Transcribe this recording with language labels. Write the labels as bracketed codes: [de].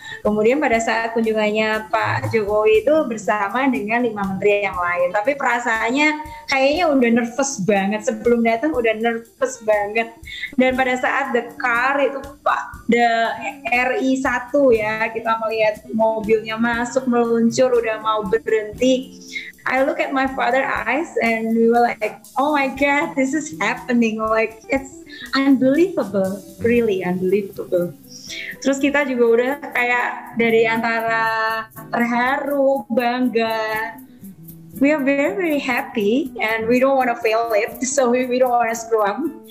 [id] Kemudian pada saat kunjungannya Pak Jokowi itu bersama dengan 5 menteri yang lain. Tapi perasaannya kayaknya udah nervous banget. Sebelum datang udah nervous banget. Dan pada saat [en] the car [id] itu Pak, the RI1 ya, kita melihat mobilnya masuk, meluncur, udah mau berhenti. [en] I look at my father's eyes and we were like, oh my God, this is happening. Like, it's unbelievable, really unbelievable. [id] Terus kita juga udah kayak dari antara terharu, bangga. [en] We are very, very happy and we don't want to fail it, so we don't want to screw up.